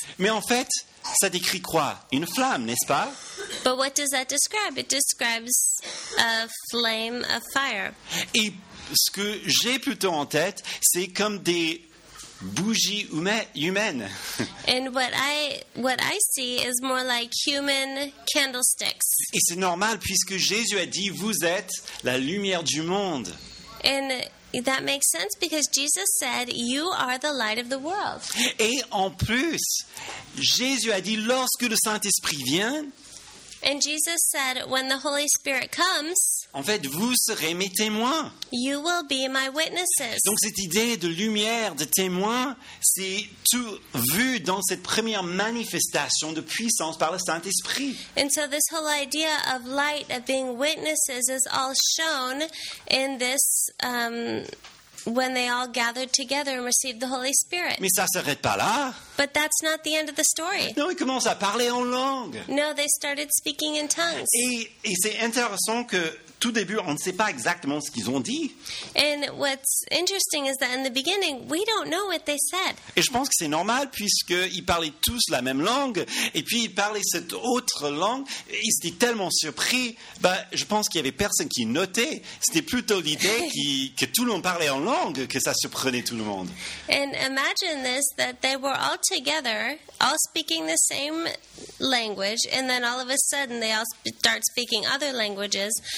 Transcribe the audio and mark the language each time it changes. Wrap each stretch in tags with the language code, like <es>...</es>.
<fr>Mais en fait, ça décrit quoi? Une flamme, n'est-ce pas?</fr> <en>But what does that describe? It describes a flame of fire.</en> <fr>Et ce que j'ai plutôt en tête, c'est comme des bougies humaines.</fr> <en>And what I see is more like human candlesticks.</en> <fr>Et c'est normal puisque Jésus a dit vous êtes la lumière du monde.</fr> <en>And that makes sense because Jesus said you are the light of the world.</en> <fr>Et en plus, Jésus a dit lorsque le Saint-Esprit vient,</fr> <en>and Jesus said when the Holy Spirit comes,</en> <fr>en fait, vous serez mes témoins.</fr> <en>You will be my witnesses.</en> <fr>Donc cette idée de lumière, de témoin, c'est tout vu dans cette première manifestation de puissance par le Saint-Esprit.</fr> <en>And so this whole idea of light, of being witnesses, is all shown in this when they all gathered together and received the Holy Spirit.</en> <fr>Mais ça ne s'arrête pas là.</fr> <en>But that's not the end of the story.</en> <fr>Non, ils commencent à parler en langue.</fr> <en>No, they started speaking in tongues.</en> <fr>Et c'est intéressant que tout début, on ne sait pas exactement ce qu'ils ont dit.</fr> <en>And what's interesting is that in the beginning, we don't know what they said.</en> <fr>Et je pense que c'est normal puisque ils parlaient tous la même langue et puis ils parlaient cette autre langue. Ils étaient tellement surpris. Bah, je pense qu'il y avait personne qui notait. C'était plutôt l'idée que tout le monde parlait en langue que ça surprenait tout le monde.</fr> <en>And imagine this, that they were all together, all speaking the same language, and then all of a sudden they all start speaking other languages.</en>